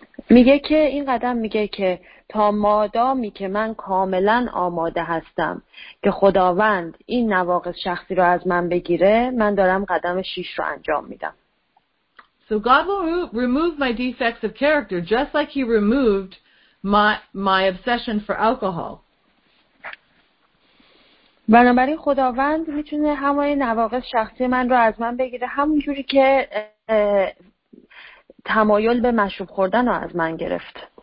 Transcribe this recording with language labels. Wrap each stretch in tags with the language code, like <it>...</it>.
<fa>میگه که این قدم میگه که تا مادامی که من کاملا آماده هستم که خداوند این نواقص شخصی رو از من بگیره، من دارم قدم 6 رو انجام میدم.</fa> <en>So So God will remove my defects of character just like he removed my obsession for alcohol.</en> <fa>بنابراین خداوند میتونه همه نواقص شخصی من رو از من بگیره همون جوری که تمایل به مشروب خوردن رو از من گرفت.</fa>